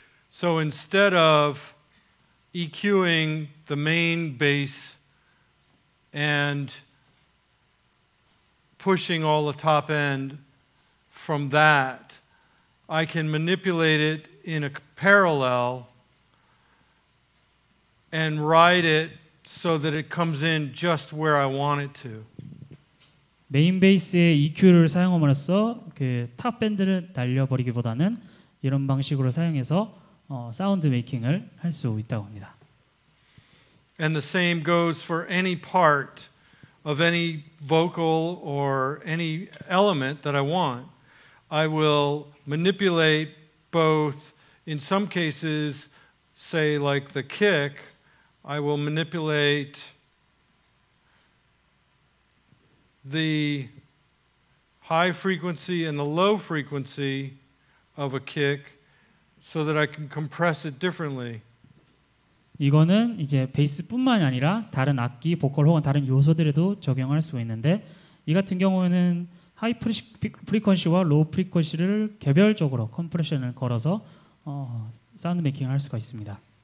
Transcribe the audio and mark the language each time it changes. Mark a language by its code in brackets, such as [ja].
[en] So instead of EQing the main bass and pushing all the top end from that, I can manipulate it in a parallel and ride it so that it comes in just where I want it to. [ko] 메인 베이스의 EQ를 사용함으로써 그 탑 밴드를 날려버리기보다는 이런 방식으로 사용해서 사운드 메이킹을 할 수 있다고 합니다. [en] And the same goes for any part of any vocal or any element that I want. I will manipulate both, in some cases, say like the kick, I will manipulate the high frequency and the low frequency of a kick so that I can compress it differently. [ko] 이거는 이제 베이스뿐만 아니라 다른 악기, 보컬 혹은 다른 요소들에도 적용할 수 있는데 이 같은 경우에는 하이 프리퀀시와 로우 프리퀀시를 개별적으로 컴프레션을 걸어서 사운드 메이킹을 할 수가 있습니다.